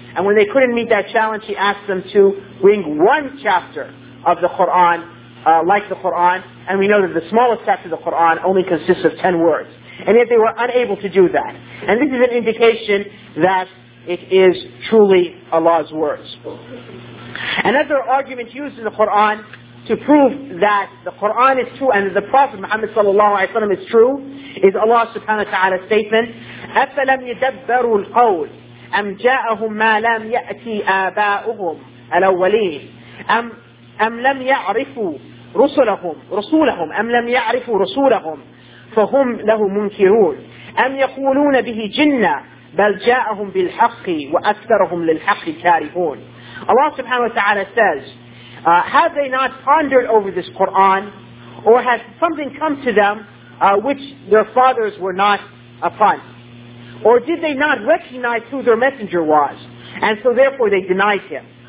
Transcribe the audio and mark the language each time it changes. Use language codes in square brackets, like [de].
[en] And when they couldn't meet that challenge, He asked them to bring one chapter of the Qur'an like the Qur'an, and we know that the smallest chapter of the Qur'an only consists of 10 words. And yet they were unable to do that. And this is an indication that it is truly Allah's words. Another argument used in the Qur'an to prove that the Qur'an is true and that the Prophet Muhammad sallallahu alayhi wa sallam is true is Allah subhanahu wa ta'ala's statement, [ar] أَفَلَمْ يَدَبَّرُوا الْقَوْلِ أَمْ جَاءَهُمْ مَا لَمْ يَأْتِي آبَاؤُهُمْ الْأَوَّلِينَ أَمْ لَمْ يَعْرِفُوا رُسُولَهُمْ أَمْ لَمْ يَعْرِفُوا رُسُولَهُمْ فَهُمْ لَهُ مُنْكِرُونَ أَمْ يَقُولُونَ بِهِ جِنَّا بَلْ جَاءَهُمْ بِالْحَقِّ وَأَكْثَرَهُمْ لِلْحَقِّ كَارِهُونَ. [en] Allah subhanahu wa ta'ala says, have they not pondered over this Qur'an, or has something come to them which their fathers were not upon? Or did they not recognize who their messenger was, and so therefore they denied him?